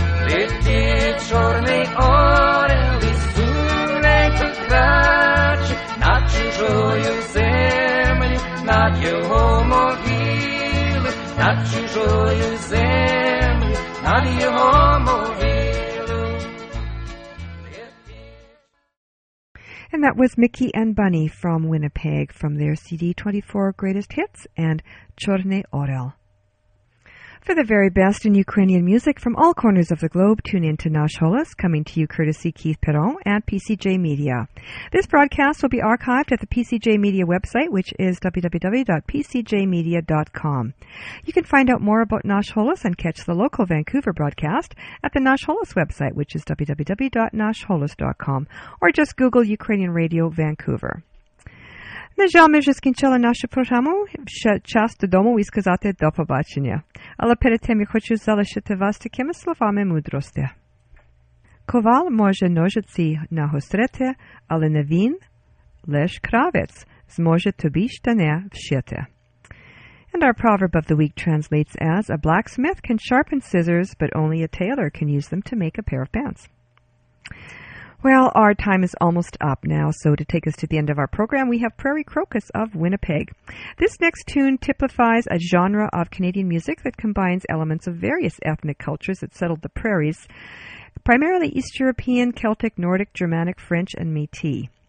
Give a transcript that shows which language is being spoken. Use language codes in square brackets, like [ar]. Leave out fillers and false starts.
[uk] Летить чорний орел, і сунеться краще, над чужою землі, над його могилою, над чужою землі. чужою землю над його могилою. [en] And that was Mickey and Bunny from Winnipeg from their CD 24 Greatest Hits and Chorny Orel. For the very best in Ukrainian music from all corners of the globe, tune in to Nash Holos, coming to you courtesy Keith Perron at PCJ Media. This broadcast will be archived at the PCJ Media website, which is www.pcjmedia.com. You can find out more about Nash Holos and catch the local Vancouver broadcast at the Nash Holos website, which is www.nashholos.com, or just Google Ukrainian Radio Vancouver. [uk] На жаль, ми вже скінчили нашу програму. Ще час додому і сказати до побачення. Але перед тим я хочу залишити вас такими словами мудрості. Ковал може ножиці нагострити, але не він, лиш кравець, зможе тобі штани вшити. [en] And our proverb of the week translates as, a blacksmith can sharpen scissors, but only a tailor can use them to make a pair of pants. Well, our time is almost up now, so to take us to the end of our program, we have Prairie Crocus of Winnipeg. This next tune typifies a genre of Canadian music that combines elements of various ethnic cultures that settled the prairies, primarily East European, Celtic, Nordic, Germanic, French, and Métis.